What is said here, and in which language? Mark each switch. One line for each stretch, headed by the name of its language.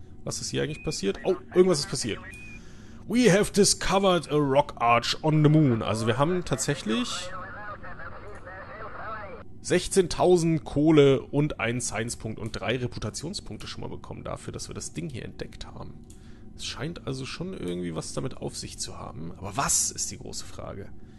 German: Was ist hier eigentlich passiert? Oh, irgendwas ist passiert.
English: We have discovered a rock arch on the moon.
German: Also wir haben tatsächlich 16.000 Kohle und einen Science-Punkt und drei Reputationspunkte schon mal bekommen dafür, dass wir das Ding hier entdeckt haben. Es scheint also schon irgendwie was damit auf sich zu haben. Aber was ist die große Frage?